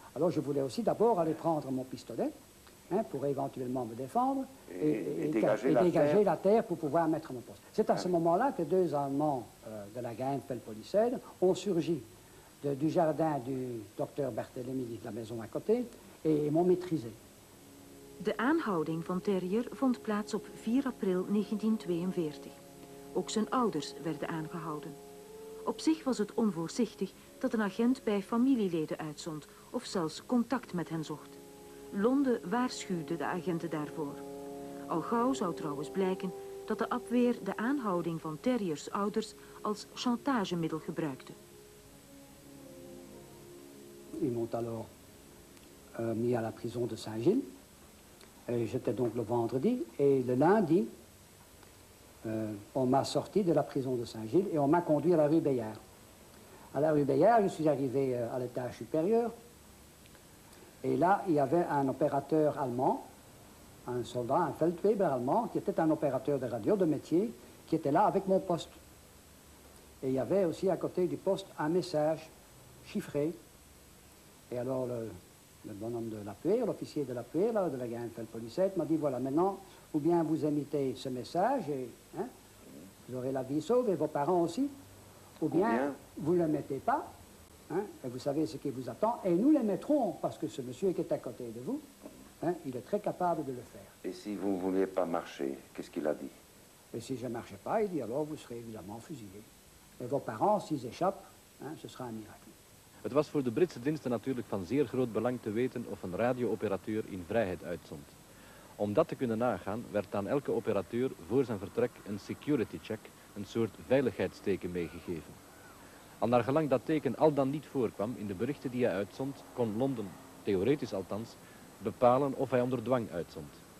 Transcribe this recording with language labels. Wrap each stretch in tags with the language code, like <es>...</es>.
<fr>Alors je voulais aussi d'abord aller prendre mon pistolet, hein, pour éventuellement me défendre. Et dégager la terre pour pouvoir mettre mon poste. C'est à ce moment-là que deux Allemands de la Geheimpelpolizei ont surgi du jardin du docteur Berthelemy, de la maison à côté, et m'ont maîtrisé.</fr> <nl>De aanhouding van Terrier vond plaats op 4 april 1942. Ook zijn ouders werden aangehouden. Op zich was het onvoorzichtig dat een agent bij familieleden uitzond of zelfs contact met hen zocht. Londen waarschuwde de agenten daarvoor. Al gauw zou trouwens blijken dat de abweer de aanhouding van Terriers ouders als chantagemiddel gebruikte.</nl> <fr>Ils m'ont alors mis à la prison de Saint-Gilles. J'étais donc le vendredi et le lundi, on m'a sorti de la prison de Saint-Gilles et on m'a conduit à la rue Bayard. À la rue Bayard, je suis arrivé à l'étage supérieur. Et là, il y avait un opérateur allemand, un soldat, un Feldwebel allemand, qui était un opérateur de radio de métier, qui était là avec mon poste. Et il y avait aussi à côté du poste un message chiffré. Et alors le bonhomme de la PUER, l'officier de la PUER, là, de la Geheimpelpolizei, m'a dit, voilà, maintenant, ou bien vous émettez ce message, et hein, vous aurez la vie sauve, et vos parents aussi, ou bien vous ne le mettez pas. Hein, et vous savez ce qui vous attend, et nous les mettrons, parce que ce monsieur qui est à côté de vous, hein, il est très capable de le faire. Et si vous ne vouliez pas marcher, qu'est-ce qu'il a dit? Et si je ne marchais pas, il dit alors vous serez évidemment fusillé. Et vos parents, s'ils échappent, hein, ce sera un miracle.</fr> <nl>Het was voor de Britse diensten natuurlijk van zeer groot belang te weten of een radio-operateur in vrijheid uitzond. Om dat te kunnen nagaan, werd aan elke operateur voor zijn vertrek een security check, een soort veiligheidsteken meegegeven. Al naar gelang dat teken al dan niet voorkwam in de berichten die hij uitzond, kon Londen, theoretisch althans, bepalen of hij onder dwang uitzond.</nl>